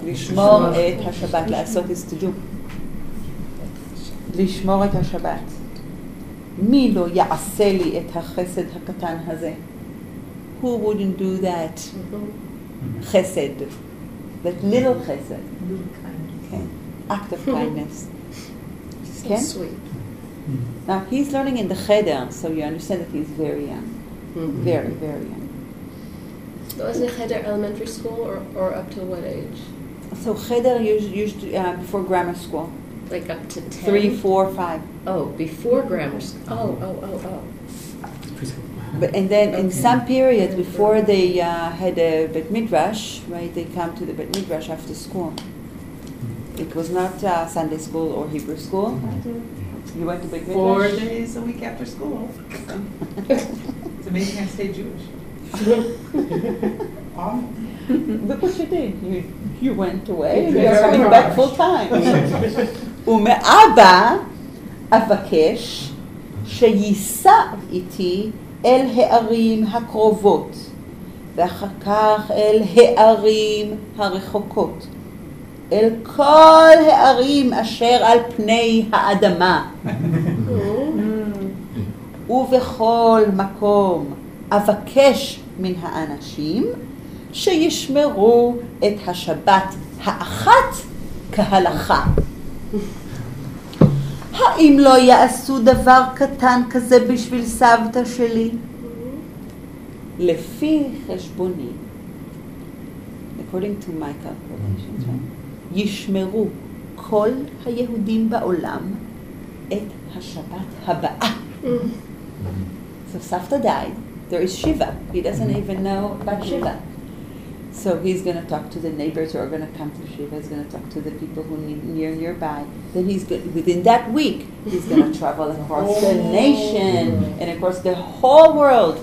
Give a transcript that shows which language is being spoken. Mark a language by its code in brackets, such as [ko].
[he] לשמור את השבת, לעשות לשמור את השבת. מי לא יעשה לי את החסד הקטן הזה? [en] Who wouldn't do that? חסד. That little חסד. Act of kindness. Sweet. Now he's learning in the cheder, so you understand that he's very young. Very, very young. So is it cheder elementary school or up to what age? So cheder used before grammar school. Like up to 10? 3, 4, 5. Oh, before grammar school. Oh. But, and then okay. In some period before they had a bet midrash, right, they come to the bet midrash after school. It was not Sunday school or Hebrew school. I do. You went to bet midrash? 4 days a week after school. It's amazing I stayed Jewish. Look what you did. You went away and you're coming back full time. [he] ומאבא אבקש שייסע איתי אל הערים הקרובות ואחר כך אל הערים הרחוקות, אל כל הערים אשר על פני האדמה ובכל מקום אבקש מן האנשים שישמרו את השבת האחת כהלכה. האם לא יעשו דבר קטן כזה בשביל סבתא שלי? לפי חשבוני, [en] according to my calculations, [he] ישמרו כל היהודים בעולם את השבת הבאה. [en] So סבתא died. There is Shiva. He doesn't even know about Shiva. So he's going to talk to the neighbors who are going to come to Shiva. He's going to talk to the people who are nearby. Then he's good. Within that week, he's going to travel across the nation and across the whole world.